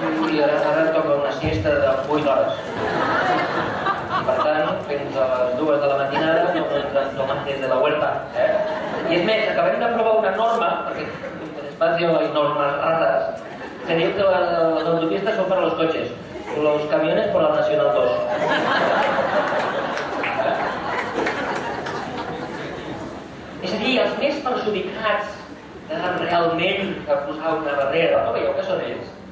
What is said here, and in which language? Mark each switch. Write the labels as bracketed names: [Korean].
[Catalan] I ara toca una siesta de 8 hores. Per tant, fins a les 2 de la matinada, no m'entén de la huerta. I és més, acabem de provar una norma, perquè es va dir normes rares, que diu que les autopistes són per als cotxes. [Spanish] Los camiones por la Nacional 2. [Catalan] És a dir, els més perjudicats tenen realment de posar una barrera. No veieu que són ells?